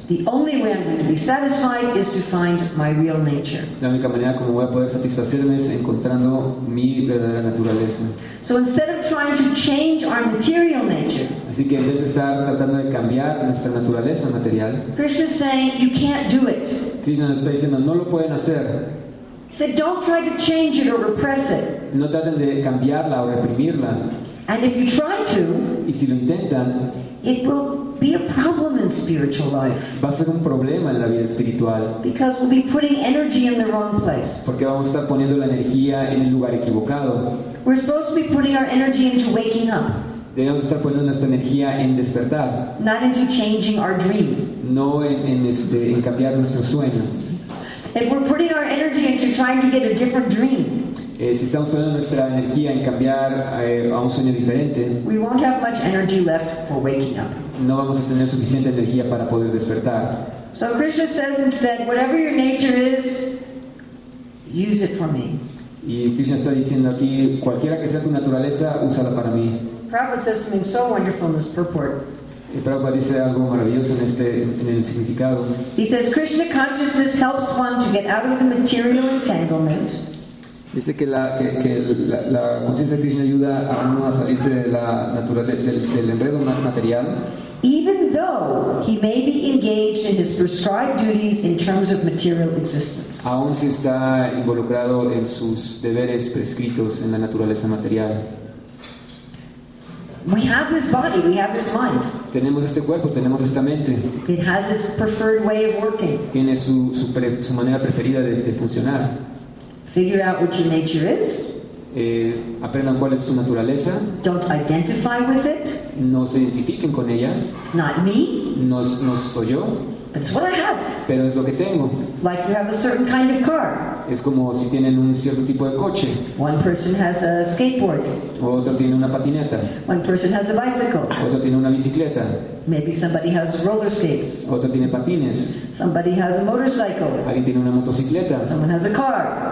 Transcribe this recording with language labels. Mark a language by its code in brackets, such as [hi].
[en] The only way I'm going to be satisfied is to find my real nature. [es] La única manera como voy a poder satisfacerme es encontrando mi verdadera naturaleza. [en] So instead of trying to change our material nature. [es] Así que en vez de estar tratando de cambiar nuestra naturaleza material. [en] Krishna is saying you can't do it. [es] Krishna nos está diciendo no lo pueden hacer. [en] So don't try to change it or repress it. [es] No traten de cambiarla o reprimirla. [en] And if you try to, [es] y si lo intentan, [en] it will be a problem in spiritual life. [es] Va a ser un problema en la vida espiritual. [en] Because we'll be putting energy in the wrong place. [es] Porque vamos a estar poniendo la energía en el lugar equivocado. [en] We're supposed to be putting our energy into waking up. [es] Debemos estar poniendo nuestra energía en despertar. [en] Not into changing our dream. [es] No en cambiar nuestro sueño. [en] If we're putting our energy into trying to get a different dream. [es] Si estamos poniendo nuestra energía en cambiar a un sueño diferente, [en] we won't have much energy left for waking up. [es] No vamos a tener suficiente energía para poder despertar. [en] So Krishna says instead, whatever your nature is, use it for me. [es] Y Krishna está diciendo aquí, cualquiera que sea tu naturaleza, úsala para mí. [en] Prabhupada says something so wonderful in this purport. [es] Y Prabhupada dice algo maravilloso en el significado. [en] He says, Krishna consciousness helps one to get out of the material entanglement. [es] Dice que la conciencia de Krishna ayuda a uno a salirse de la naturaleza del enredo material. [en] Even though he may be engaged in his prescribed duties in terms of material existence. [es] Aún si está involucrado en sus deberes prescritos en la naturaleza material. [en] We have this body, we have this mind. [es] Tenemos este cuerpo, tenemos esta mente. [en] It has its preferred way of working. [es] Tiene su manera preferida de funcionar. [en] Figure out what your nature is. [es] Aprendan cuál es su naturaleza. [en] Don't identify with it. [es] No se identifiquen con ella. [en] It's not me. [es] No soy yo. [en] But it's what I have. [es] Pero es lo que tengo. [en] Like you have a certain kind of car. [es] Es como si tienen un cierto tipo de coche. [en] One person has a skateboard. [es] Otro tiene una patineta. [en] One person has a bicycle. [es] Otro tiene una bicicleta. [en] Maybe somebody has roller skates. [es] Otro tiene patines. [en] Somebody has a motorcycle. [es] Alguien tiene una motocicleta. [en] Someone has a car.